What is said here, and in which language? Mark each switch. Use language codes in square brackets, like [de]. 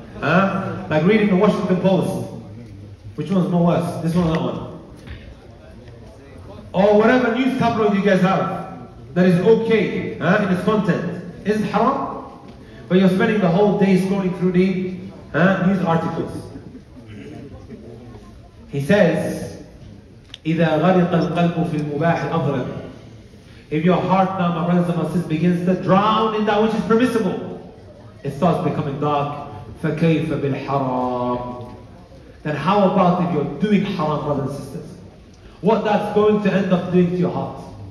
[en] Huh? Like reading the Washington Post. Which one's more worse? This one or that one? Or whatever news tabloid you guys have that is okay in its content. Is it haram? But you're spending the whole day scrolling through the news articles. He says, [ar] إِذَا غَرِقَ الْقَلْبُ فِي الْمُبَاحِ أَضْرَبْ. [en] If your heart now, my brothers and my sisters, begins to drown in that which is permissible, it starts becoming dark. [ar] فَكَيْفَ بِالْحَرَامِ. [en] Then how about if you're doing haram, brothers and sisters? What that's going to end up doing to your heart.